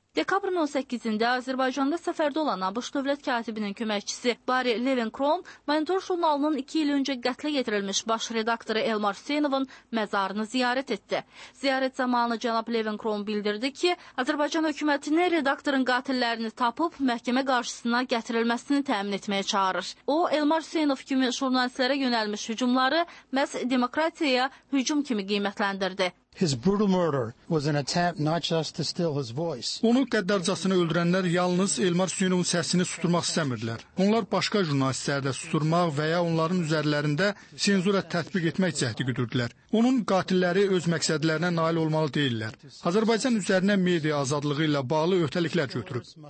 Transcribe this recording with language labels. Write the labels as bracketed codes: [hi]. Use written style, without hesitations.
[az] Dekabrın 18-də Azərbaycanda səfərdə olan ABŞ dövlət katibinin köməkçisi Barry Loinkron, Monitor jurnalının 2 il öncə qətlə yetirilmiş baş redaktoru Elmar Hüseynovun məzarını ziyarət etdi. Ziyarət zamanı cənab Loinkron bildirdi ki, Azərbaycan hökumətini redaktorun qatillərini tapıb məhkəmə qarşısına gətirilməsini təmin etməyə çağırır. O, Elmar Hüseynov kimi jurnalistlərə yönəlmiş hücumları məhz demokratiyaya hücum kimi qiymətləndirdi. [en] His brutal murder was an attempt not just to still his voice. [az] Onu qəddarcasına öldürənlər yalnız Elmar Hüseynovun səsini susturmaq istəmirdilər. Onlar başqa jurnalistləri də susturmaq və ya onların üzərlərində senzura tətbiq etmək cəhdi güdürdülər. Onun qatilləri öz məqsədlərinə nail olmalı deyillər. Azərbaycan üzərinə media azadlığı ilə bağlı öhdəliklər götürüb.